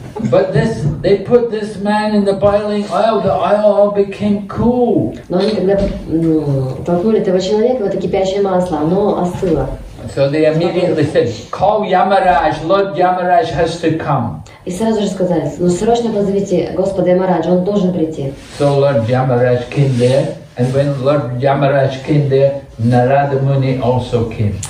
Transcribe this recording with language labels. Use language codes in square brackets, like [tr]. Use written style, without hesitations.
[en] But this, they put this man in the boiling oil. The oil all became cool. [ru] Но они когда толкнули этого человека в это кипящее масло, оно остыло. [en] So they immediately said, "Call Yamaraj. Lord Yamaraj has to come." [ru] И сразу же сказали, ну срочно позовите Господа Ямараджа, он должен прийти. [en] So Lord Yamaraj came there, and when Lord Yamaraj came there, Narada Muni also came.